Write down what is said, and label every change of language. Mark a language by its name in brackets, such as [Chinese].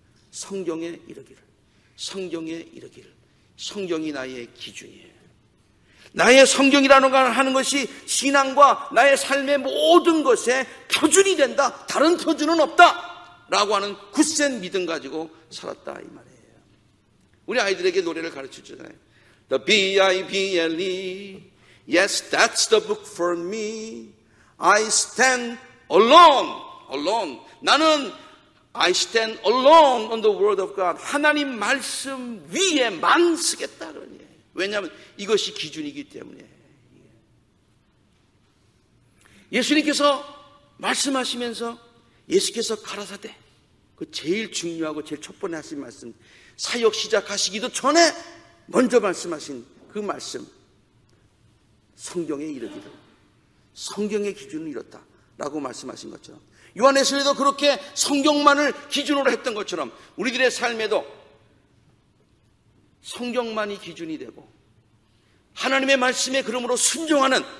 [Korean] 성경에 이르기를, 성경에 이르기를, 성경이 나의 기준이에요. 나의 성경이라는 걸 하는 것이 신앙과 나의 삶의 모든 것의 표준이 된다. 다른 표준은 없다 라고 하는 굳센 믿음 가지고 살았다 이 말이에요. 우리 아이들에게 노래를 가르쳐주잖아요. [English] The B-I-B-L-E. Yes, that's the book for me. I stand alone. Alone. [Korean] 나는 [English] I stand alone on the word of God. [Korean] 하나님 말씀 위에만 쓰겠다. 왜냐하면 이것이 기준이기 때문에. 예수님께서 말씀하시면서 예수께서 가라사대, 그 제일 중요하고 제일 첫 번에 하신 말씀, 사역 시작하시기도 전에 먼저 말씀하신 그 말씀, 성경에 이르기를, 성경의 기준을 이뤘다 라고 말씀하신 것처럼, 요한 웨슬리도 그렇게 성경만을 기준으로 했던 것처럼 우리들의 삶에도 성경만이 기준이 되고 하나님의 말씀에 그러므로 순종하는